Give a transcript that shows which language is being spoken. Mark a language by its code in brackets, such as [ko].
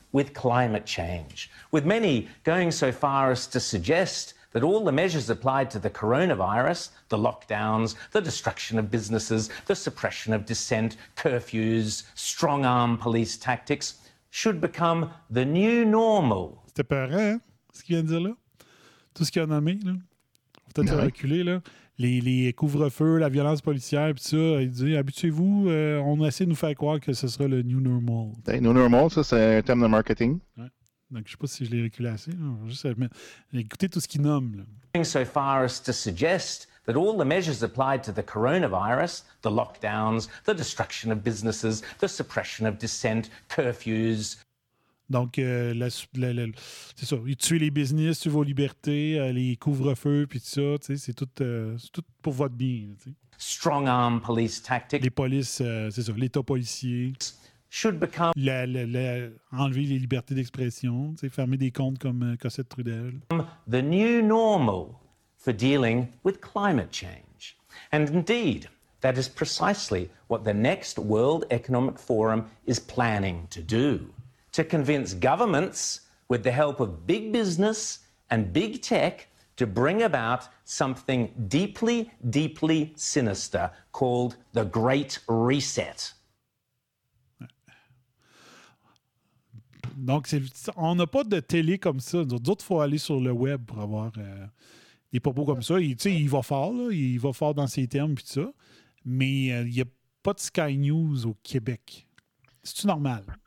[en] with climate change, with many going so far as to suggest that all the measures applied to the coronavirus, the lockdowns, the destruction of businesses, the suppression of dissent, curfews, strong-arm police tactics, should become the new normal. [fr] C'était peurant, hein, ce qu'il vient de dire là. Tout ce qu'il a nommé, là. Peut-être ouais. Reculer, là. Les couvre-feux, la violence policière, puis ça. Il dit, habituez-vous, on essaie de nous faire croire que ce sera le [en] new normal. [fr] Hey, [en] new normal, [fr] ça, c'est un terme de marketing. Ouais. Donc, je sais pas si je l'ai reculé assez. Là. Juste à... Écoutez tout ce qu'il nomme, là. [en] So far as to suggest that all the measures applied to the coronavirus, the lockdowns, the destruction of businesses, the suppression of dissent, curfews. [fr] Donc, c'est ça, tuer les business, tuer vos libertés, les couvre-feux, puis tout ça, tu sais, c'est tout pour votre bien. T'sais. [en] Strong-arm police tactics. [fr] Les polices, c'est ça, l'État policier. [en] Should become. [fr] Enlever les libertés d'expression, tu sais, fermer des comptes comme Cossette Trudel. [en] The new normal for dealing with climate change. And indeed, that is precisely what the next World Economic Forum is planning to do. To convince governments, with the help of big business and big tech, to bring about something deeply, deeply sinister called the Great Reset. [fr] Donc, on n'a pas de télé comme ça. D'autres, il faut aller sur le web pour avoir des propos comme ça. Tu sais, il va fort, là. Il va fort dans ses termes et tout ça. Mais il n'y a pas de Sky News au Québec. C'est-tu normal?